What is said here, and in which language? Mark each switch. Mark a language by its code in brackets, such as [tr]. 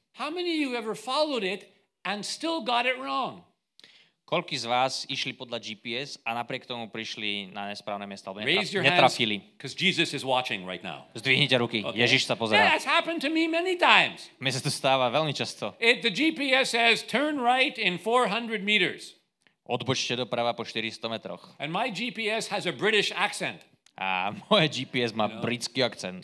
[en] how many of you ever followed it and still got it wrong? [sk] Koľký z vás išli podľa GPS a napriek tomu prišli na nesprávne miesto alebo netrafili? [en] Because Jesus is watching right now. [sk] Zdvihnite ruky. Okay. Ježiš sa pozerá. [en] Yeah, it's happened to me many times. [sk] Mne sa to stáva veľmi často. [en] The GPS says turn right in 400 meters. [sk] Odbočte doprava po 400 metroch. [en] And my GPS has a British accent. [sk] A moje GPS má britský akcent.